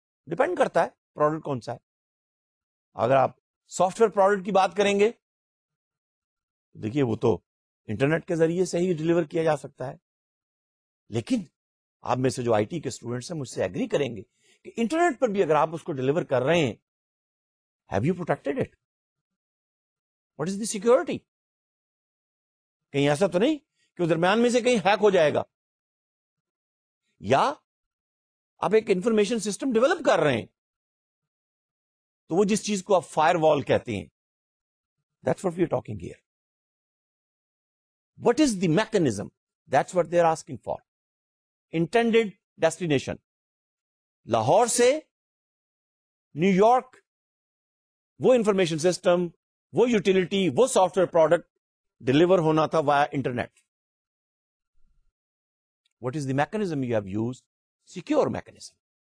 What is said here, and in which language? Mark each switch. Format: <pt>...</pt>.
<ur>Depend کرتا ہے product کون سا ہے. اگر آپ سافٹ ویئر پروڈکٹ کی بات کریں گے, دیکھیے وہ تو انٹرنیٹ کے ذریعے سے ہی ڈلیور کیا جا سکتا ہے, لیکن آپ میں سے جو آئی ٹی کے اسٹوڈینٹس ہیں مجھ سے ایگری کریں گے کہ انٹرنیٹ پر بھی اگر آپ اس کو ڈلیور کر رہے ہیں,</ur> <en>have you protected it, what is the security,</en> <ur>کہیں ایسا تو نہیں کہ درمیان میں سے کہیں ہیک ہو جائے گا, یا آپ ایک انفارمیشن سسٹم ڈیولپ کر رہے ہیں تو وہ جس چیز کو آپ فائر وال کہتے ہیں,</ur> <en>That's what we are talking here. What is the mechanism, that's what they are asking for.</en> <ur>Intended destination Lahore سے نیو یارک, وہ انفارمیشن سسٹم, وہ یوٹیلیٹی, وہ سافٹ ویئر پروڈکٹ ڈلیور ہونا تھا wire internet.</ur> <en>What is the mechanism you have use, secure mechanism.</en>